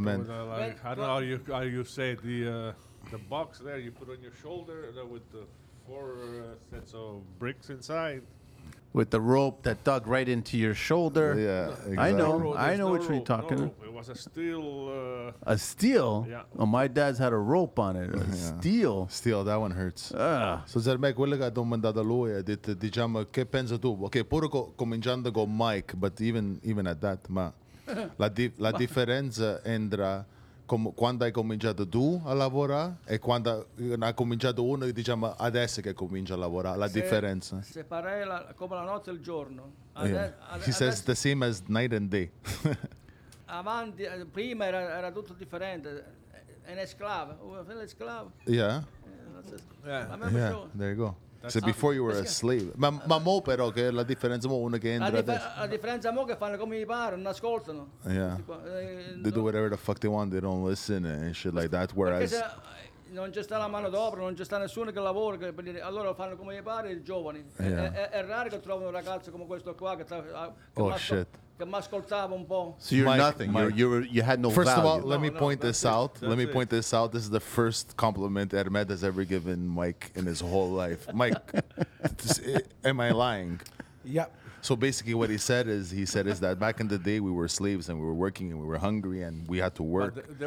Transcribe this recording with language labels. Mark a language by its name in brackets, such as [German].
[English] Like, I don't know how you say the box there you put on your shoulder with the four sets of bricks inside. With the rope that dug right into your shoulder. Yeah, exactly. I know. I know what you're talking about. It was a steel. A steel? Yeah. Oh, my dad's had a rope on it. Steel. Steel, that one hurts. [Italian] So, Zermay, quello che ha domandato lui, ha detto, diciamo, che pensa tu? Ok, pure cominciando con Mike, [English] but even at that, [Italian] ma la differenza entra quando hai cominciato tu a lavorare e quando ha cominciato uno, diciamo adesso che comincia a lavorare, differenza. Se parei come la notte e il giorno. [English] Says the same as night and day. [Italian] Avanti, prima era tutto differente. Un esclavo. [English] Yeah. There you go. So before you were a slave. [Italian] Ma mo però che la differenza mo uno che entra La differenza mo che fanno come gli pare, non ascoltano. Yeah. [English] They do whatever the fuck they want, they don't listen and shit like that. Whereas [Italian] non c'è sta la mano d'opera, non c'è sta nessuno che lavora, allora fanno come gli pare i giovani. È raro che trovano un ragazzo come questo qua che che mi ascoltava un po'. [English] So you're nothing. You had no value. First of all, let me point this out. This is the first compliment Hermed has ever given Mike in his whole life. Mike, am I lying? Yeah. So basically what he said is that back in the day we were slaves and we were working and we were hungry and we had to work.